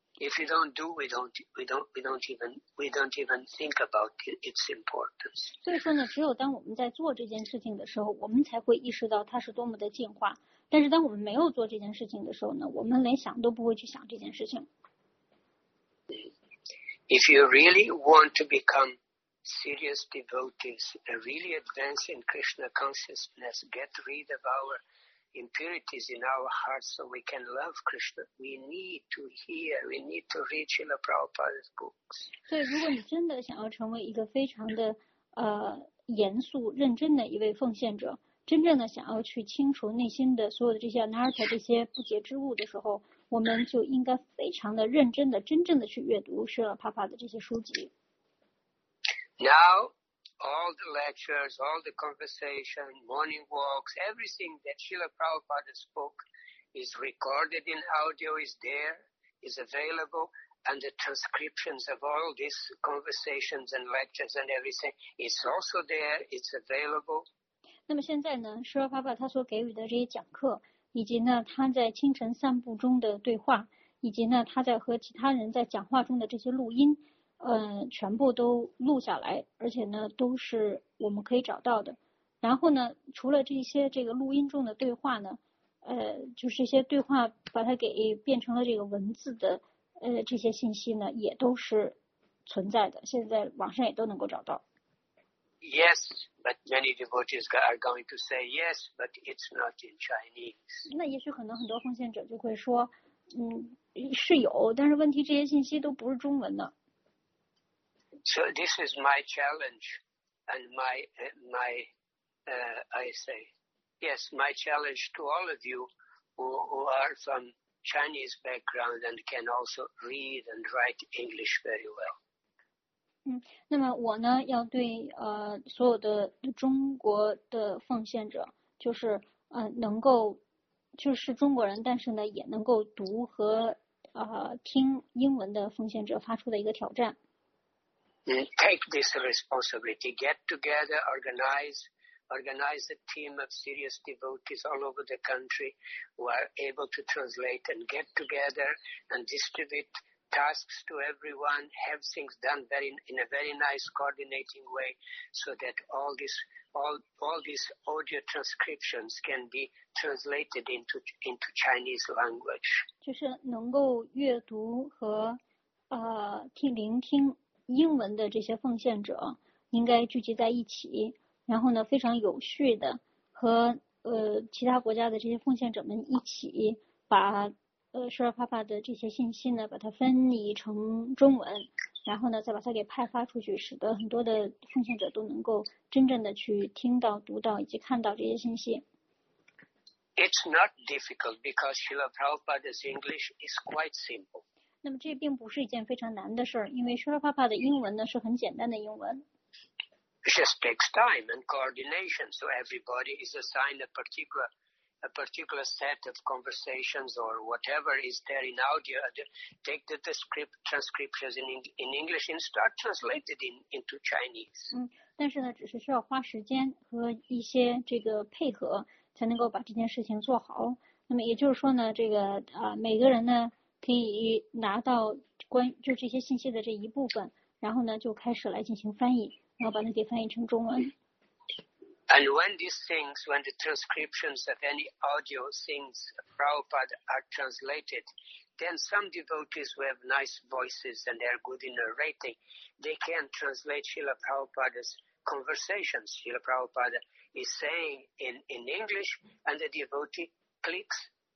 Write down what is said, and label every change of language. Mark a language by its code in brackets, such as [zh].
[en] If we don't do, we don't even think about its importance. [zh] 所以说呢，只有当我们在做这件事情的时候，我们才会意识到它是多么的净化。但是当我们没有做这件事情的时候呢，我们连想都不会去想这件事情。 [en] If you really want to become serious devotees, really advance in Krishna consciousness, get rid of our impurities in our hearts so we can love Krishna, we need to hear, we need to read Srila Prabhupada's books. [zh] 所以如果你真的想要成为一个非常的严肃认真的一位奉献者，真正的想要去清除内心的所有的这些 anatta 这些不洁之物的时候，我们就应该非常的认真的真正的去阅读Srila Prabhupada的这些书籍。 [en] Now, all the lectures, all the conversation, morning walks, everything that Srila Prabhupada spoke is recorded in audio, is there, is available, and the transcriptions of all these conversations and lectures and everything is also there, it's available. [zh] 那么现在呢，Srila Prabhupada他所给予的这些讲课，以及呢他在清晨散步中的对话，以及呢他在和其他人在讲话中的这些录音，全部都录下来，而且呢都是我们可以找到的。然后呢，除了这些这个录音中的对话呢，就是这些对话把它给变成了这个文字的这些信息呢，也都是存在的，现在网上也都能够找到。 [en] Yes, but many devotees are going to say yes, but it's not in Chinese. [zh] 那也许很多奉献者就会说，是有，但是问题这些信息都不是中文的。 [en] So this is my challenge, and my I say Yes, my challenge to all of you who are from Chinese background and can also read and write English very well. [zh] 嗯，那么我呢要对所有的中国的奉献者，就是能够就是中国人，但是呢也能够读和听英文的奉献者发出的一个挑战。 [en] Take this responsibility. Get together, organize a team of serious devotees all over the country who are able to translate, and get together and distribute tasks to everyone. Have things done very in a very nice coordinating way, so that all these audio transcriptions can be translated into Chinese language. [zh] 就是能够阅读和听聆听。英文的这些奉献者应该聚集在一起，然后呢非常有序的和其他国家的这些奉献者们一起把舍尔帕帕的这些信息呢把它分离成中文，然后呢再把它给派发出去，使得很多的奉献者都能够真正的去听到读到以及看到这些信息。 [en] It's not difficult because Srila Prabhupada's English is quite simple. [zh] 那么这并不是一件非常难的事儿，因为舒拉帕帕的英文呢是很简单的英文。 [en] It just takes time and coordination, so everybody is assigned a particular set of conversations or whatever is there in audio. Take the transcriptions in English and start translated into Chinese. [zh] 但是呢，只是需要花时间和一些这个配合，才能够把这件事情做好。那么也就是说呢，这个每个人呢。可以拿到关就这些信息的这一部分，然后呢就开始来进行翻译，然后把它给翻译成中文。 [en] And when these things, when the transcriptions of any audio things of Prabhupada are translated, then some devotees who have nice voices and they are good in narrating, they can translate Srila Prabhupada's conversations. Srila Prabhupada is saying in English, and the devotee clicks.